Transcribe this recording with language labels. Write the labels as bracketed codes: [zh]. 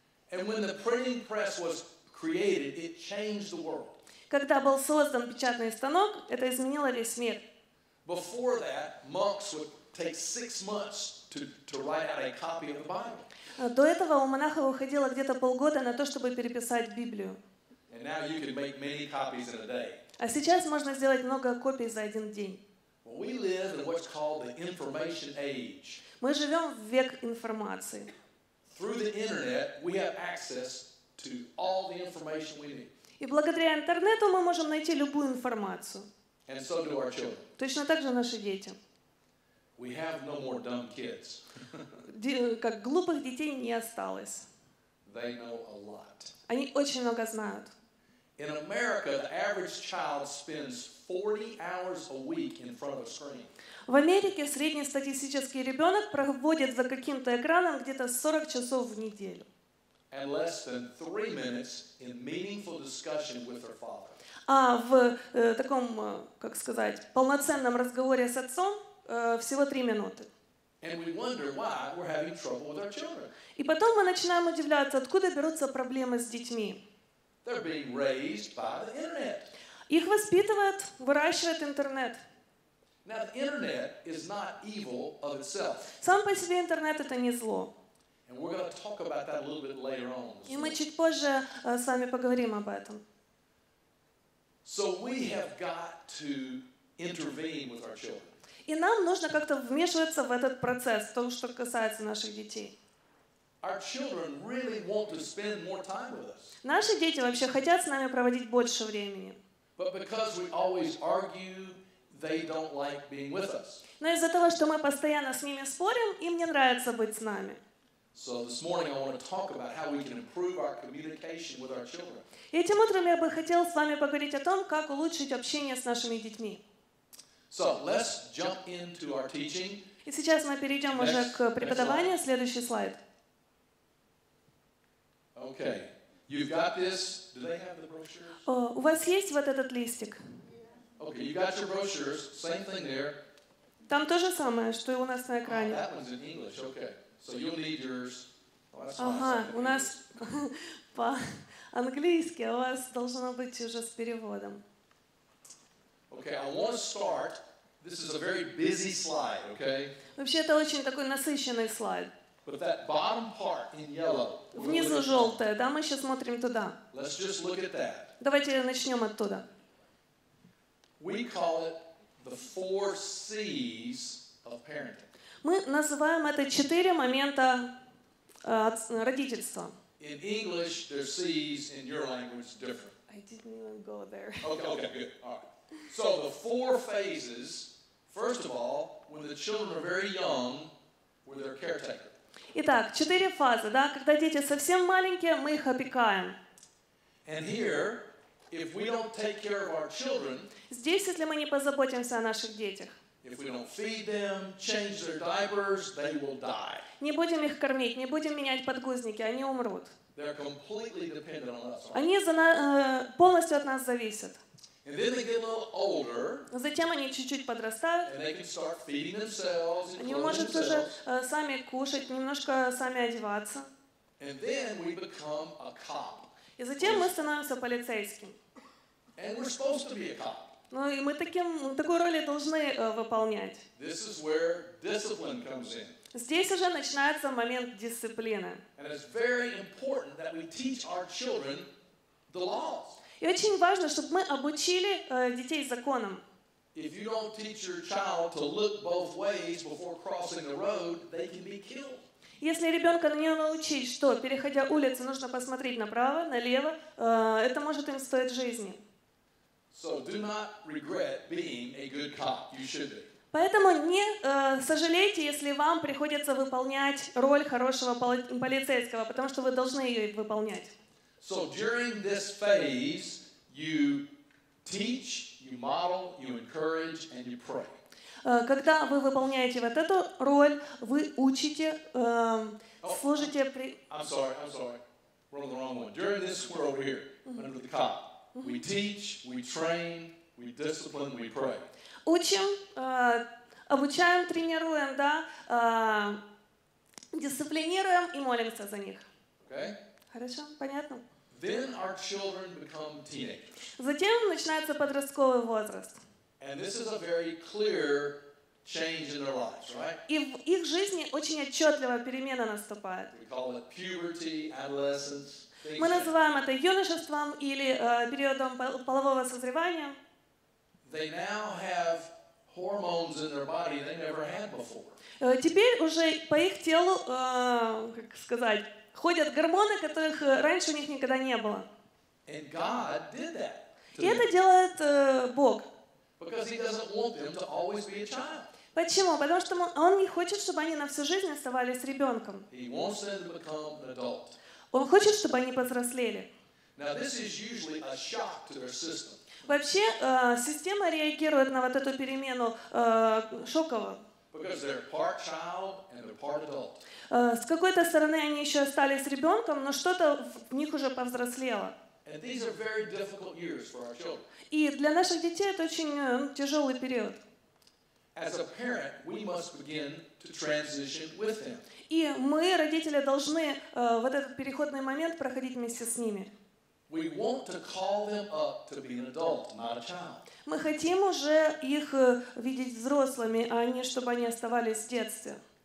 [en] And when the printing press was created, it changed the world. [ru] Когда был создан печатный станок, это изменило весь мир. [en] Before that, monks would take 6 months to write out a copy of the Bible. [ru] До этого у монахов уходило где-то полгода на то, чтобы переписать Библию. [en] And now you can make many copies in a day. [ru] А сейчас можно сделать много копий за один день. [en] We live in what's called the information age. [ru] Мы живем в век информации. [en] Through the internet, we have access to all the information we need. [ru] И благодаря интернету мы можем найти любую информацию. [en] And so do our children. [ru] Точно так же наши дети. [en] We have no more dumb kids. [ru] Как глупых детей не осталось. [en] They know a lot. [ru] Они очень много знают. [en] In America, the average child spends 40 hours a week in front of a screen. [ru] В Америке среднестатистический ребенок проводит за каким-то экраном где-то 40 часов в неделю. [en] And less than 3 minutes in meaningful discussion with her father. [ru] А в таком, как сказать, полноценном разговоре с отцом всего 3 минуты. [en] And we wonder why we're having trouble with our children. [ru] И потом мы начинаем удивляться, откуда берутся проблемы с детьми. [en] They're being raised by the internet. [ru] Их воспитывают, выращивают интернет. [en] Now the internet is not evil of itself. [ru] Сам по себе интернет это не зло. [en] And we're going to talk about that a little bit later on. [ru] И мы чуть позже с вами поговорим об этом. [en] So we have got to intervene with our children. [ru] И нам нужно как-то вмешиваться в этот процесс, то, что касается наших детей. [en] Our children really want to spend more time with us. [ru] Наши дети вообще хотят с нами проводить больше времени. [en] But because we always argue, they don't like being with us. [ru] Но из-за того, что мы постоянно с ними спорим, им не нравится быть с нами. [en] So this morning I want to talk about how we can improve our communication with our children. [ru] И этим утром я бы хотел с вами поговорить о том, как улучшить общение с нашими детьми. [en] So let's jump into our teaching. [ru] И сейчас мы перейдем уже к преподаванию. Следующий слайд. [en] Okay, you've got this. Do they have the brochures? [ru] У вас есть вот этот листик? [en] Okay, you got your brochures. Same thing there. [ru] Там то же самое, что и у нас на экране. [en] That one's in English. Okay. So you'll need yours. [ru] Ага, у нас по-английски, а у вас должно быть уже с переводом. [en] Okay, I want to start. This is a very busy slide, okay? [ru] Вообще, это очень такой насыщенный слайд. [en] But that bottom part in yellow. [ru] Внизу желтое, да, мы сейчас смотрим туда. [en] Let's just look at that. [ru] Давайте начнем оттуда. [en] We call it the four C's of parenting. [ru] Мы называем это четыре момента родительства. [en] In English, there are C's, in your language, different. I didn't even go there. Okay, good. All right. So the four phases, first of all, when the children are very young, we're their caretaker. [ru] Итак, четыре фазы, да? Когда дети совсем маленькие, мы их опекаем. [en] And here, if we don't take care of our children, [ru] здесь, если мы не позаботимся о наших детях, [en] if we don't feed them, change their diapers, they will die. [ru] Не будем их кормить, не будем менять подгузники, они умрут. [en] They're completely dependent on us. [ru] Они полностью от нас зависят. [en] And then they get a little older. [ru] Затем они чуть-чуть подрастают. [en] And they can start feeding themselves. [ru] Они могут уже сами кушать, немножко сами одеваться. [en] And then we become a cop. [ru] И затем мы становимся полицейским. [en] And we're supposed to be a cop. [ru] Ну и мы такую роль и должны выполнять. [en] This is where discipline comes in. [ru] Здесь уже начинается момент дисциплины. [en] And it's very important that we teach our children the laws. [ru] И очень важно, чтобы мы обучили детей законам. [en] If you don't teach your child to look both ways before crossing the road, they can be killed. [ru] Если ребенка не научить, что, переходя улицу, нужно посмотреть направо, налево, это может им стоить жизни. [en] So do not regret being a good cop. You should be. [ru] Поэтому не сожалейте, если вам приходится выполнять роль хорошего полицейского, потому что вы должны ее выполнять. [en] So during this phase, you teach, you model, you encourage, and you pray. [ru] Когда вы выполняете вот эту роль, вы учите, служите при... [en] I'm sorry. We're on the wrong one. During this, we're over here, under the cop. We teach, we train, we discipline, we pray. [ru] Учим, обучаем, тренируем, да, дисциплинируем и молимся за них. [en] Okay. [ru] Хорошо, понятно. [en] Then our children become teenagers. [ru] Затем начинается подростковый возраст. [en] And this is a very clear change in their lives, right? [ru] И в их жизни очень отчетливая перемена наступает. [en] We call it puberty, adolescence. [ru] Мы называем это юношеством или периодом полового созревания. [en] They now have hormones in their body they never had before. [ru] Теперь уже по их телу, как сказать, ходят гормоны, которых раньше у них никогда не было. [en] And God did that. [ru] И это делает Бог. [en] Because he doesn't want them to always be a child. [ru] Почему? Потому что он не хочет, чтобы они на всю жизнь оставались ребенком. [en] He wants them to become an adult. [ru] Он хочет, чтобы они повзрослели. [en] Now, this is usually a shock to their system. [ru] Вообще, система реагирует на вот эту перемену шоково. [en] Because they're part child and they're part adult. [ru] С какой-то стороны, они еще остались ребенком, но что-то в них уже повзрослело. [en] And these are very difficult years for our children. [ru] И для наших детей это очень тяжелый период. [en] As a parent, we must begin to transition with them. [ru] И мы, родители, должны вот этот переходный момент проходить вместе с ними. [en] We want to call them up to be an adult, not a child. [ru] Мы хотим уже их видеть взрослыми, а не чтобы они оставались в детстве.